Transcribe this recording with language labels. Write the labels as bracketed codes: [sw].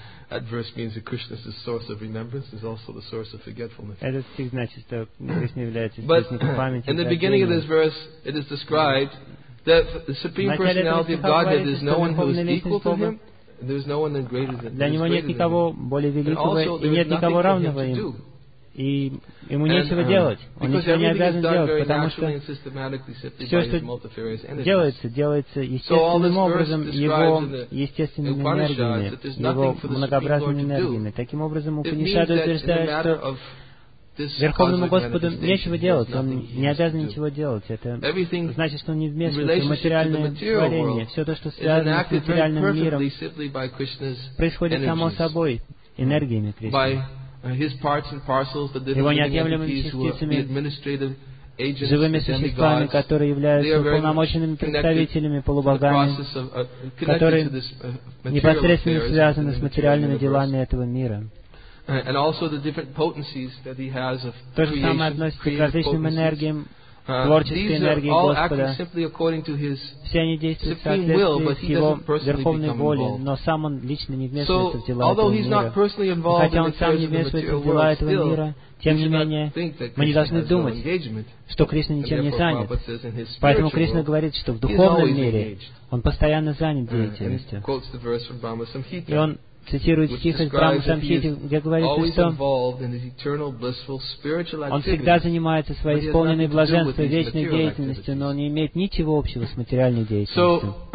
[en] That verse means that Krishna is the source of remembrance, is also the source of forgetfulness. But in the beginning of this verse, it is described that the Supreme Personality of Godhead is no one who is equal to Him. There is no one greater than Him. [ru] Для него нет никого более великого и нет никого равного Ему. И ему нечего делать. Он ничего не обязан делать, потому что все, что делается, делается естественным образом его естественными энергиями, его многообразными энергиями. Таким образом, Упанишад утверждает, что Верховному Господу нечего делать, он не обязан ничего делать. Это значит, что он не вмешивается в материальное творение. Все то, что связано с материальным миром, происходит само собой, энергиями Кришны. [en] His parts and parcels, the [ru] неотъемлемыми частицами, живыми существами, которые являются уполномоченными представителями, полубогами, которые непосредственно связаны с материальными делами этого мира. [en] And also the different potencies that he has of creation, These are all acting simply according to his supreme will, but he doesn't personally become involved. So, although he's not personally involved in the affairs of the material world, still, [ru] тем не менее, мы не должны думать, что Кришна ничем не занят. Поэтому Кришна говорит, что в духовном мире он постоянно занят деятельностью. И он цитирует стих из Брахма Самхиты, где говорится, что он всегда занимается своей исполненной блаженством, вечной деятельностью, но он не имеет ничего общего с материальной деятельностью.